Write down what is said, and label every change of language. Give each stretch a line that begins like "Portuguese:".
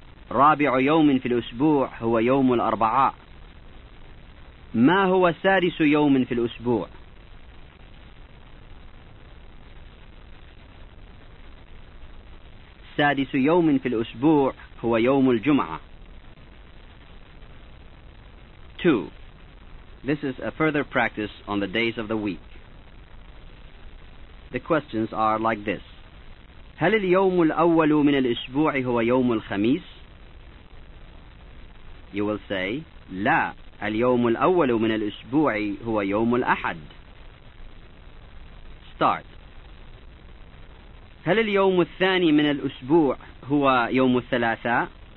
Arabic: رابع يوم في الأسبوع هو يوم الأربعاء. ما هو سادس يوم في الأسبوع? سادس يوم في الأسبوع هو يوم الجمعة.
English: 2. This is a further practice on the days of the week. The questions are like this.
Arabic: هل اليوم الأول من الأسبوع هو يوم الخميس?
English: You will say,
Arabic: لا, اليوم الأول من الأسبوع هو يوم الأحد.
English: Start.
Arabic: هل اليوم الثاني من الأسبوع هو يوم الثلاثاء?